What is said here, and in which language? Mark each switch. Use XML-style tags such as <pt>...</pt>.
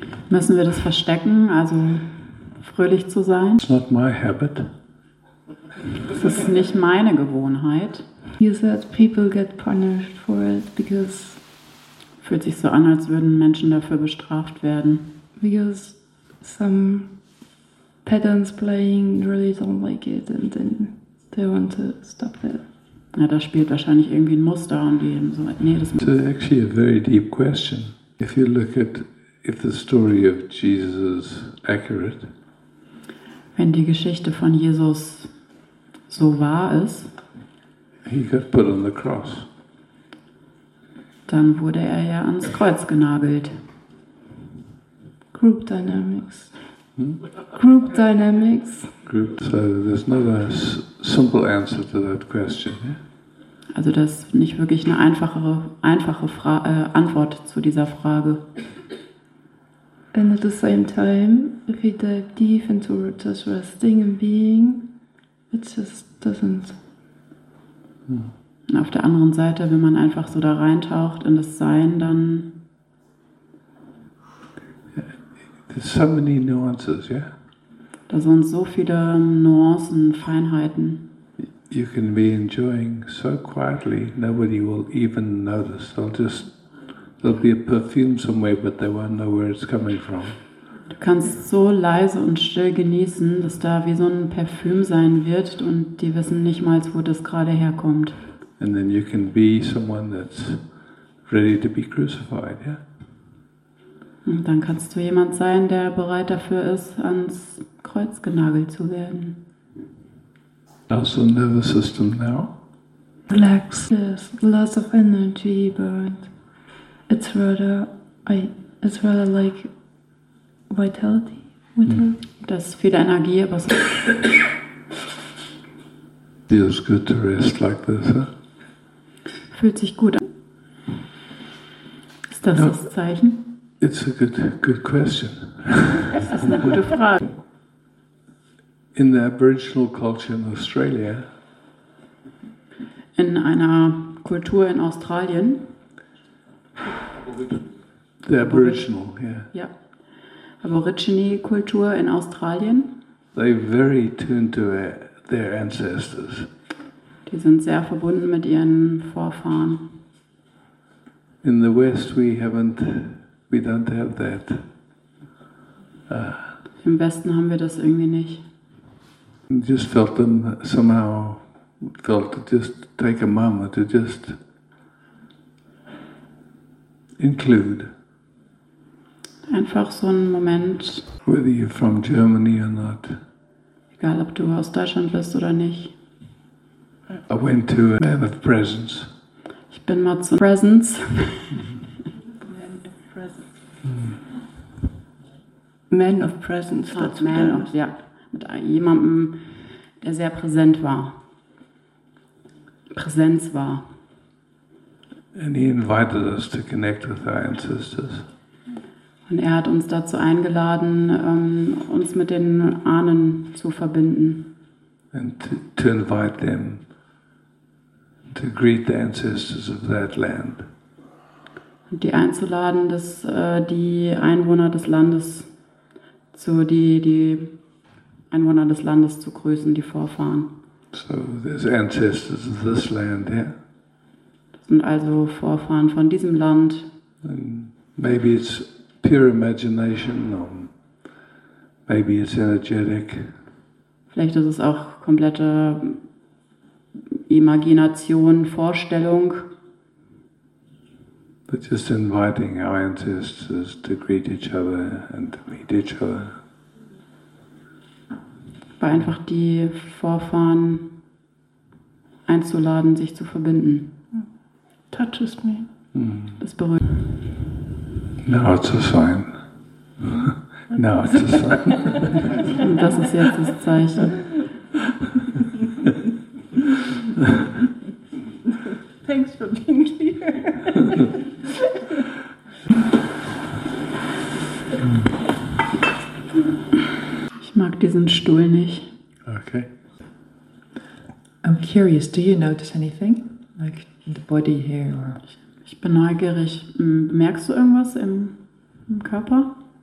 <de>Müssen wir das verstecken, also fröhlich zu sein?</de> <en>It's not my habit.</en> <de>Das ist nicht meine Gewohnheit.</de> <en>You said people get punished for it because...</en> <de>Fühlt sich so an, als würden Menschen dafür bestraft werden.</de> <en>Because some patterns playing really don't like it and then they want to stop it.</en> <de>Ja, da spielt wahrscheinlich irgendwie ein Muster und die so, nee, das</de> <en>ist actually a very deep question. If you look at if the story of Jesus is accurate.</en> <de>Wenn die Geschichte von Jesus so wahr ist.</de> <en>He got put on the cross.</en> <de>Dann wurde er ja ans Kreuz genagelt.</de> <en>Group dynamics. Group dynamics. Group. So there's not a simple answer to that question.</en> <de>Also das ist nicht wirklich eine einfache Antwort zu dieser Frage.</de> <en>And at the same time, if we dive deep into just resting and being, it just doesn't.</en> <de>Und auf der anderen Seite, wenn man einfach so da reintaucht in das Sein, dann.</de> <en>There's so many nuances, yeah?</en> <de>Da sind so viele Nuancen, Feinheiten.</de> <en>You can be enjoying so quietly, nobody will even notice. There'll be a perfume somewhere, but they won't know where it's coming from.</en> <de>Du kannst so leise und still genießen, dass da wie so ein Parfüm sein wird und die wissen nicht mal, wo das gerade herkommt.</de> <en>And then you can be someone that's ready to be crucified, yeah?</en> <de>Und dann kannst du jemand sein, der bereit dafür ist, ans Kreuz genagelt zu werden.</de> <en>How's the nervous system now? Relax, there's lots of energy, but it's rather like vitality.</en> <de>Das ist viel Energie, aber es</de> <en>feels good to rest like this, huh?</en> <de>Fühlt sich gut an. Ist das das Zeichen?</de> <en>It's a good question.</en> <de>Das ist eine gute Frage.</de> <en>In the Aboriginal culture in Australia.</en> <de>In einer Kultur in Australien.</de> <en>The Aboriginal, yeah.</en> <de>Ja. Aborigine-Kultur in Australien.</de> <en>They're very tuned to their ancestors.</en> <de>Die sind sehr verbunden mit ihren Vorfahren.</de> <en>In the West we don't have that.</en> <de>Im Westen haben wir das irgendwie nicht.</de> <en>Just felt them somehow felt to just take a moment to just include.</en> <de>Einfach so einen Moment.</de> <en>Whether you're from Germany or not.</en> <de>Egal, ob du aus Deutschland bist oder nicht.</de> <en>I went to a man of presence.</en> <de>Ich bin mal zu Presence.</de> <en>Man of presence. Man of presence. Man of,</en> <de>ja, mit jemandem. Der sehr präsent war. Präsenz war.</de> <en>And he invited us to connect with our ancestors.</en> <de>Und er hat uns dazu eingeladen, uns mit den Ahnen zu verbinden.</de> <en>And to invite them to greet the ancestors of that land.</en> <de>Und die einzuladen, dass die Einwohner des Landes zu die Einwohner des Landes zu grüßen, die Vorfahren.</de> <en>So there's ancestors of this land, yeah?</en> <de>Das sind also Vorfahren von diesem Land.</de> <en>And maybe it's pure imagination, or maybe it's energetic.</en> <de>Vielleicht ist es auch komplette Imagination, Vorstellung.</de> <en>But just inviting our ancestors to greet each other and to meet each other.</en> <de>Einfach die Vorfahren einzuladen, sich zu verbinden.</de> <en>Touches me.</en> <de>Das berührt.</de> <en>Now it's a sign. Now it's a sign.</en> <de>Und das ist jetzt das Zeichen.</de> <en>Thanks for being here.</en> <de>Ich mag diesen Stuhl nicht.</de> <en>Okay. I'm curious, do you notice anything? Like the body here or...</en> <de>Ich bin neugierig. Merkst du irgendwas im Körper?</de>